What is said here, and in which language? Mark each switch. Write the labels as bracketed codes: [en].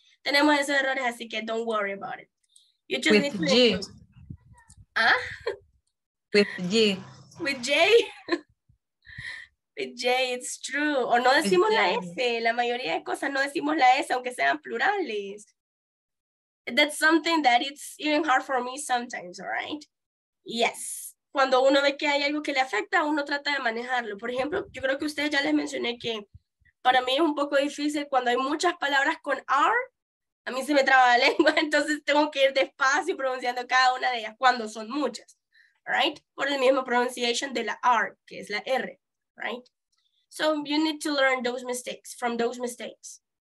[es] Tenemos esos errores, así que [en] don't worry about it. You just with need to G. ¿Ah? With G. With J. Jay, it's true. [es] O no decimos la S. La mayoría de cosas no decimos la S, aunque sean plurales. [en] That's something that it's even hard for me sometimes, all right? Yes. [es] Cuando uno ve que hay algo que le afecta, uno trata de manejarlo. Por ejemplo, yo creo que ustedes ya les mencioné que para mí es un poco difícil cuando hay muchas palabras con R. A mí se me traba la lengua, entonces tengo que ir despacio pronunciando cada una de ellas cuando son muchas, right? Por el mismo pronunciation de la R, que es la R, right? [en] So you need to learn those mistakes, from those mistakes.